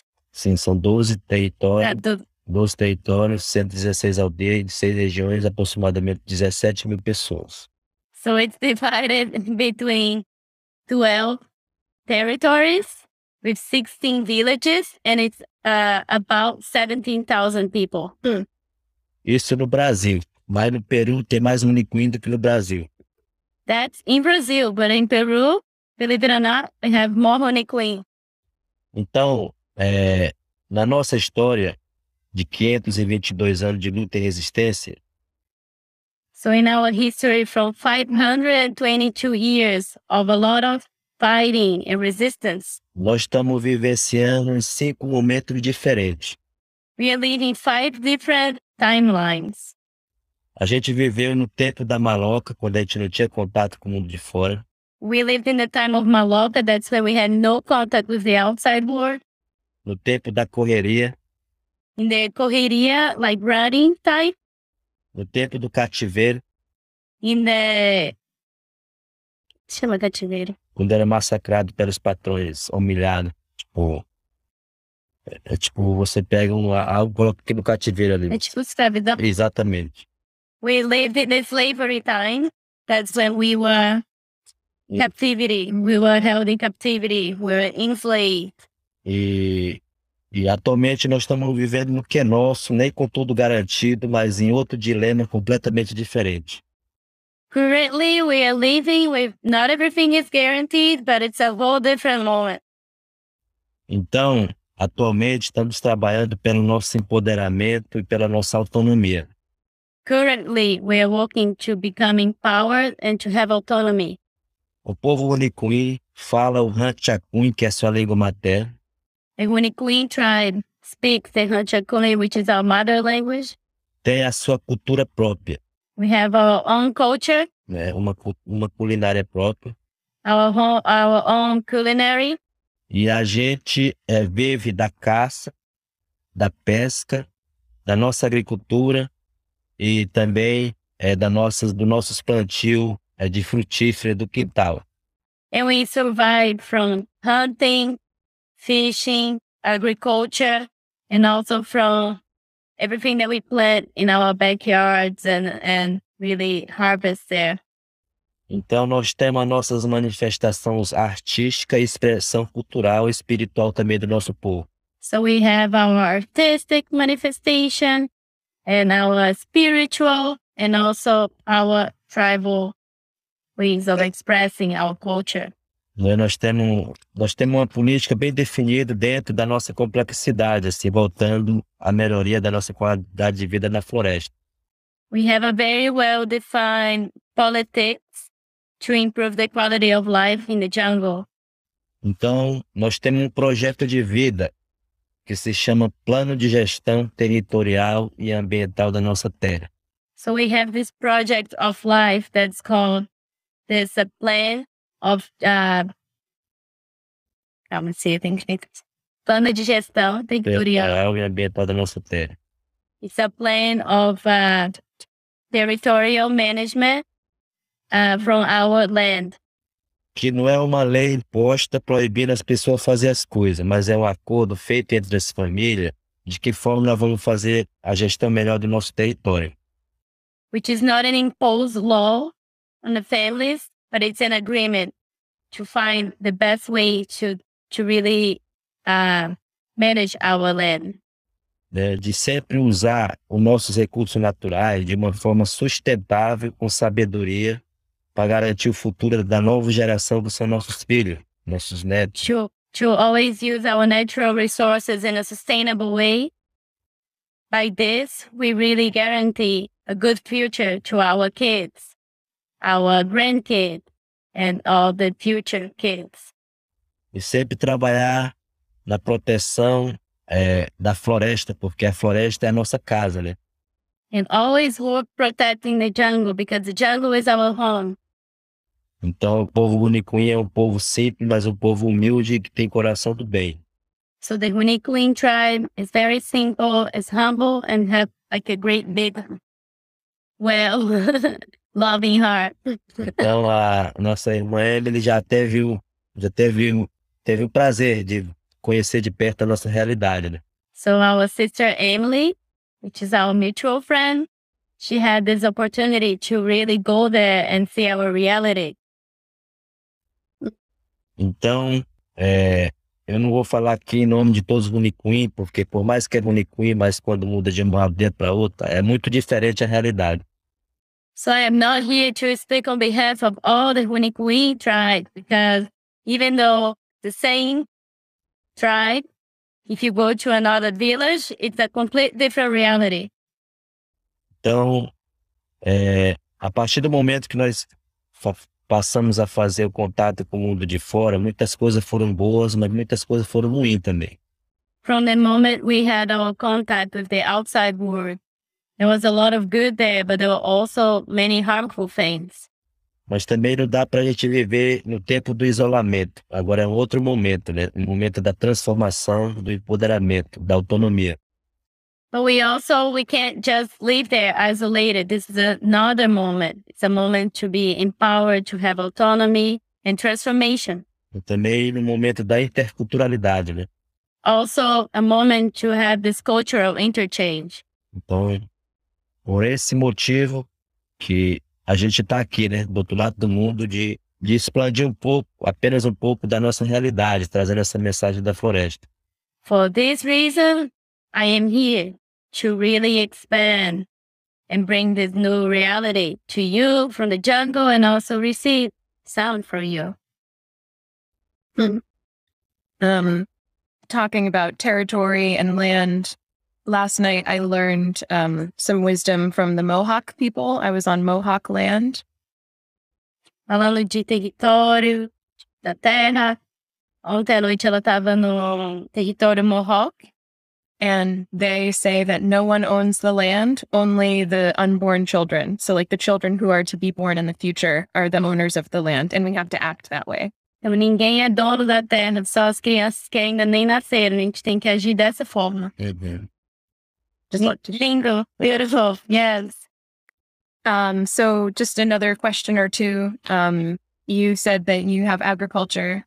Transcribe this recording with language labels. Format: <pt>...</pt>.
<pt>Sim, são 12 territórios, 12 territórios, 116 aldeias, 6 regiões, aproximadamente 17 mil pessoas.</pt> <en>So it's divided between 12 territories with 16 villages and it's about 17,000 people.</en> <pt>Isso no Brasil, mas no Peru tem mais Unicuí do que no Brasil.</pt> <en>That's in Brazil, but in Peru, believe it or not, we have more Unicuí.</en> <pt>Então, na nossa história de 522 anos de luta e resistência.</pt> <en>So in our history from 522 years of a lot of fighting and resistance.</en> <pt>Nós estamos vivenciando em 5 momentos diferentes.</pt> <en>We are living 5 different timelines.</en> <pt>A gente viveu no tempo da Maloca, quando a gente não tinha contato com o mundo de fora.</pt> <en>We lived in the time of Maloca, that's when we had no contact with the outside world.</en> <pt>No tempo da correria.</pt> <en>In the correria, like running type.</en> <pt>No tempo do cativeiro.</pt> <en>In the...</en> <pt>chama cativeiro. Quando era massacrado pelos patrões, humilhado. Tipo... você pega algo e coloca aqui no cativeiro ali. É tipo escravidão. Exatamente.</pt> <en>We lived in the slavery time. That's when we were in captivity. We were held in captivity. We were enslaved.</en> <pt>E atualmente nós estamos vivendo no que é nosso, nem com tudo garantido, mas em outro dilema completamente diferente.</pt> <en>Currently we are living with not everything is guaranteed, but it's a whole different moment.</en> <pt>Então, atualmente estamos trabalhando pelo nosso empoderamento e pela nossa autonomia.</pt> <en>Currently we are working to become empowered and to have autonomy.</en> <pt>O povo Unicuí fala o Hantxakuin, que é sua língua materna.</pt> <en>The Huni Queen tribe speak Tehachapi, which is our mother language.</en> <pt>Tem a sua cultura própria.</pt> <en>We have our own culture.</en> <pt>Né? Uma culinária própria.</pt> <en>Our own culinary.</en> <pt>E a gente vive da caça, da pesca, da nossa agricultura e também dos nossos plantios de frutífero do quintal.</pt> <en>And we survive from hunting, fishing, agriculture, and also from everything that we plant in our backyards and really harvest there.</en> <pt>Então, nós temos as nossas manifestações artísticas e expressão cultural e espiritual também do nosso povo.</pt> <en>So we have our artistic manifestation and our spiritual and also our tribal ways of expressing our culture.</en> <pt>Nós temos uma política bem definida dentro da nossa complexidade, assim, voltando à melhoria da nossa qualidade de vida na floresta.</pt> <en>We have a very well-defined politics to improve the quality of life in the jungle.</en> <pt>Então, nós temos um projeto de vida que se chama Plano de Gestão Territorial e Ambiental da Nossa Terra.</pt> <en>So we have this project of life that's called this a plan of Plano de Gestão Territorial</en> <pt>e Ambiental da Nossa Terra.</pt> <en>It's a plan of territorial management from our land.</en> <pt>Que não é uma lei imposta proibindo as pessoas fazer as coisas, mas é um acordo feito entre as famílias de que forma nós vamos fazer a gestão melhor do nosso território.</pt> <en>Which is not an imposed law on the families, but it's an agreement to find the best way to really manage our land.</en> <pt>De sempre usar os nossos recursos naturais de uma forma sustentável, com sabedoria, para garantir o futuro da nova geração que são nossos filhos, nossos netos.</pt> <en>To always use our natural resources in a sustainable way. By this, we really guarantee a good future to our kids, our grandkids, and all the future kids.</en> <pt>E sempre trabalhar na proteção da floresta, porque a floresta é a nossa casa, né?</pt> <en>And always work protecting the jungle, because the jungle is our home.</en> <pt>Então, o povo Guniquim é um povo simples, mas um povo humilde que tem coração do bem.</pt> <en>So the Guniquim tribe is very simple, is humble, and have like a great big, well, loving heart.</en> <pt>Então, a nossa irmã Emily já teve o prazer de conhecer de perto a nossa realidade, né?</pt> <en>So our sister Emily, which is our mutual friend, she had this opportunity to really go there and see our reality.</en> <pt>Então, eu não vou falar aqui em nome de todos os Guniquim, porque por mais que é Guniquim, mas quando muda de uma aldeia para outra, é muito diferente a realidade.</pt> <en>So I am not here to speak on behalf of all the Guniquim tribe, because even though the same tribe, if you go to another village, it's a complete different reality.</en> <pt>Então, a partir do momento que nós passamos a fazer o contato com o mundo de fora, muitas coisas foram boas, mas muitas coisas foram ruins também.</pt> <en>From the moment we had our contact with the outside world, there was a lot of good there, but there were also many harmful things.</en> <pt>Mas também não dá para a gente viver no tempo do isolamento. Agora é um outro momento, né? Um momento da transformação, do empoderamento, da autonomia.</pt> <en>But we can't just live there isolated. This is another moment. It's a moment to be empowered, to have autonomy and transformation.</en> <pt>Também no momento da interculturalidade, né?</pt> <en>Also a moment to have this cultural interchange.</en> <pt>Então, por esse motivo que a gente está aqui, né? Do outro lado do mundo, de expandir um pouco, apenas um pouco da nossa realidade, trazendo essa mensagem da floresta.</pt> <en>For this reason, I am here to really expand and bring this new reality to you from the jungle and also receive sound from you. Talking about territory and land, last night I learned some wisdom from the Mohawk people. I was on Mohawk land.</en> <pt>Falando de território, da terra. Ontem à noite ela estava no território Mohawk.</pt> <en>And they say that no one owns the land, only the unborn children. So like the children who are to be born in the future are the owners of the land. And we have to act that way.</en> <pt>Então, ninguém é dono da terra, só as crianças que ainda nem nasceram. A gente tem que agir dessa forma.</pt> <en>Amen. Lindo. Beautiful. Yes. So just another question or two. You said that you have agriculture.</en>